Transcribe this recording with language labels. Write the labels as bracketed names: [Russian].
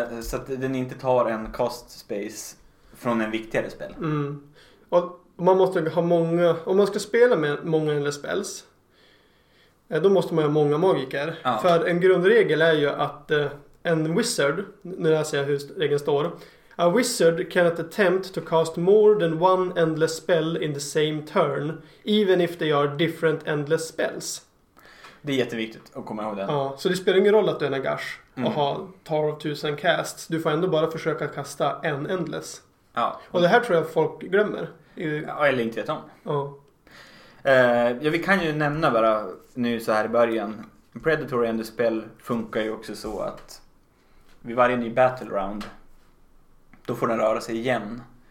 [Swedish] Så att den inte tar en cast space från en viktigare spel. Mm. Och man måste ha många, om man ska spela med många eller spells, då måste man ha många magiker. Ja. För en grundregel är ju att en wizard, nu läser jag hur regeln står. [English] A wizard cannot attempt to cast more than one endless spell in the same turn, even if they are different endless spells. [Swedish] Det är jätteviktigt att komma ihåg det. Ja, så det spelar ingen roll att du är en Nagash och har tar av 1000 casts. Du får ändå bara försöka kasta en endless. Ja. Och det här tror jag folk glömmer. Ja, eller inte vet om. Ja. Ja, vi kan ju nämna bara nu så här i början. Predatory endless spell funkar ju också så att vid varje ny battle round, då får den röra sig igen.